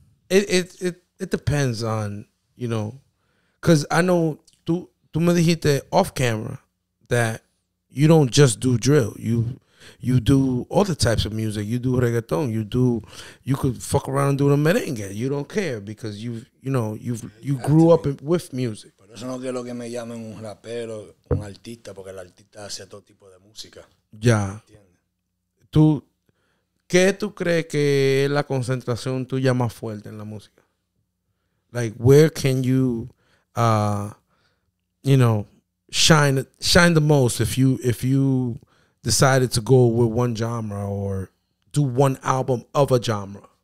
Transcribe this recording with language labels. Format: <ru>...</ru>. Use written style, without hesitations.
<en>It depends on, you know, because I know</en> <es>tú me dijiste</es> <en>off camera that you don't just do drill. You do all the types of music. You do reggaeton. You could fuck around and do the merengue. You don't care because you grew up with music.</en> <es>Por eso no quiero que me llamen un rapero, un artista, porque el artista hace todo tipo de música. Ya. ¿Tú qué tú crees que es la concentración tuya más fuerte en la música?</es> <en>Like, where can you, you know, shine the most if you decided to go with one genre or do one album of a genre?</en>